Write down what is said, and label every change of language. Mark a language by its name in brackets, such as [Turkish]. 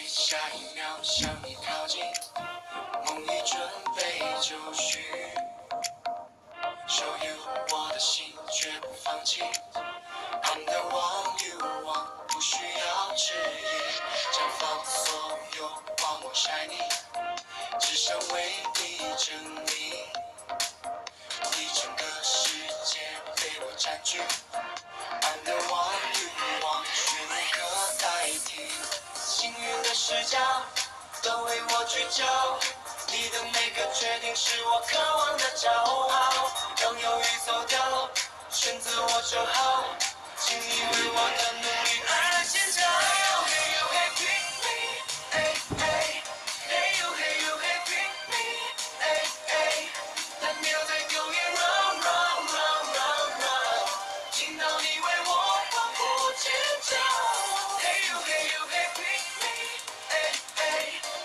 [Chinese] 百鸟向你靠近，梦已准备就绪，守护我的心却不放弃。 [English] I'm the one you want， [Chinese] 不需要质疑，绽放所有光芒 shiny， 只想为你证明，你整个世界被我占据。 [English] I'm the one you want， [Chinese] 却无可代替。幸运的视角都为我聚焦，你的每个决定是我渴望的骄傲。当犹豫走掉，选择我就好。请你为我的努力而尖叫。 [English] Hey you, hey you, hey pick me, hey hey. Hey you, hey you, hey pick me, hey hey. That music going round, round, round, round, round. [Chinese] 听到你为我欢呼尖叫。 [English] Hey you, hey you, hey pick me, hey hey.